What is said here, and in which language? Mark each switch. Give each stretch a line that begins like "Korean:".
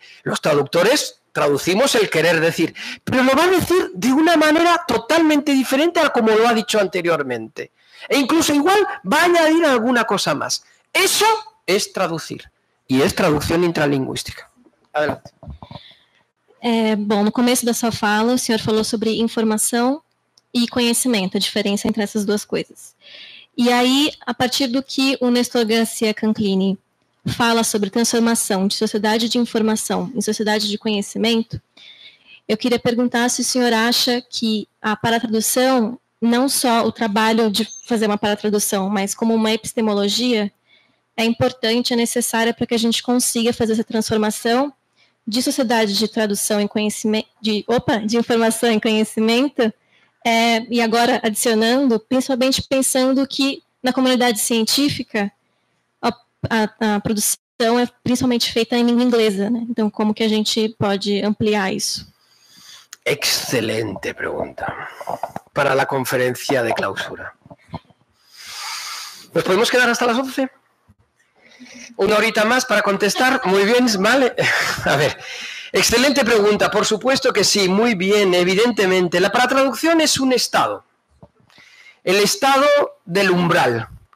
Spanish: Los traductores traducimos el querer decir, pero lo va a decir de una manera totalmente diferente a como lo ha dicho anteriormente. E incluso igual va a añadir alguna cosa más. Eso es traducir, y es traducción intralingüística. Adelante.
Portuguese: Bom, no começo da sua fala, o senhor falou sobre informação e conhecimento, a diferença entre essas duas coisas. E aí, a partir do que o Nestor Garcia Canclini fala sobre transformação de sociedade de informação em sociedade de conhecimento, eu queria perguntar se o senhor acha que a paratradução, não só o trabalho de fazer uma paratradução, mas como uma epistemologia, é importante, é necessária para que a gente consiga fazer essa transformação de sociedade de tradução em conhecimento, de informação em conhecimento, e agora adicionando, principalmente pensando que na comunidade científica a produção é principalmente feita em língua inglesa, né? Então, como que a gente pode ampliar isso? Excelente pergunta para a conferência de clausura.
Spanish: Nos podemos quedar hasta las 11? Una horita más para contestar. Muy bien, vale. A ver, excelente pregunta. Por supuesto que sí, muy bien, evidentemente. La paratraducción es un estado. El estado del umbral.